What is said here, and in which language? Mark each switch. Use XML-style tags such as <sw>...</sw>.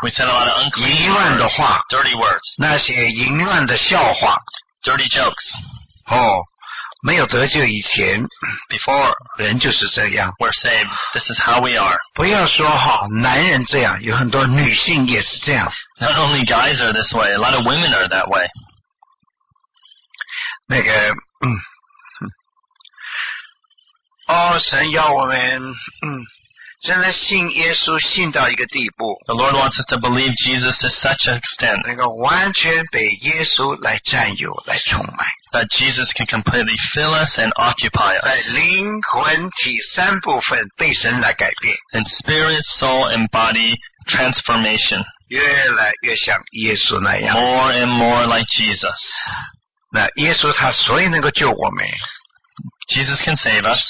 <en>We said a lot of unclean words.</en> <zh>淫乱的话</zh> <en>Dirty words.</en> <zh>那些淫乱的笑话</zh> <en>Dirty jokes.</en> <zh>哦没有得救以前</zh> <en>Before,</en> <zh>人就是这样</zh> <en>We're saved. This is how we are.</en> <zh>不要说哈男人这样有很多女性也是这样</zh> <en>Not only guys are this way, a lot of women are that way.</en> <zh>那个哦神要我们真的信耶稣信到一个地步</zh> <en>The Lord wants us to believe Jesus to such an extent</en> <zh>那个完全被耶稣来占有来充满</zh> <en>That Jesus can completely fill us and occupy us</en> <zh>在灵魂体三部分被神来改变</zh> <en>And spirit, soul, and body transformation</en> <zh>越来越像耶稣那样</zh> <en>More and more like Jesus</en> <zh>那耶稣他所以能够救我们</zh> <en>Jesus can save us</en>